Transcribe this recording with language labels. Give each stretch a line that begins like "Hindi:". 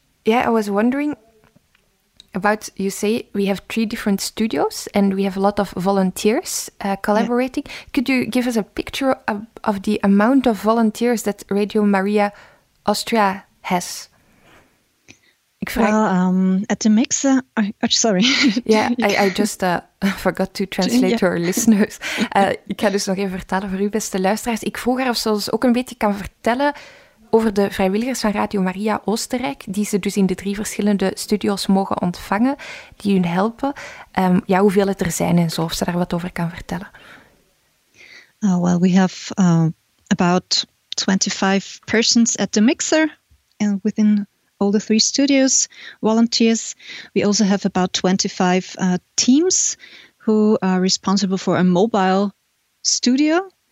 English: Yeah, I was wondering about, you say we have three different studios and we have a lot of volunteers collaborating. Yeah. Could you give us a picture of the amount of volunteers that Radio Maria Austria has? At the mix, sorry. Yeah, I just forgot to translate to our listeners.
Dutch: Ik ga dus nog even vertalen voor u, beste luisteraars. Ik vroeg haar of ze ons ook een beetje kan vertellen over de vrijwilligers van Radio Maria Oostenrijk, die ze dus in de drie verschillende studio's mogen ontvangen, die hun helpen. Ja, hoeveel het er zijn en zo, of ze daar wat over kan vertellen.
English: Well, we have about 25 persons at the mixer and within all the three studios, volunteers. We also have about 25 teams who are responsible for a mobile studio.